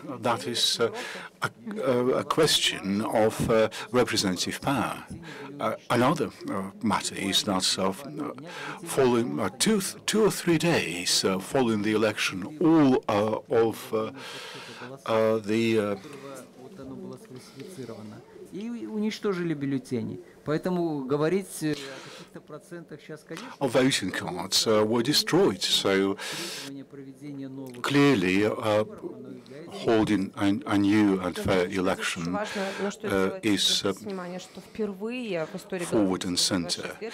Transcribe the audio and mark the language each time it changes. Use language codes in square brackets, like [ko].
[en] That is a question of representative power. Another matter is that following two or three days following the election, all of the [ru] и уничтожили бюллетени. Поэтому говорить [en] of voting cards were destroyed. So clearly, holding a new and fair election is forward and center.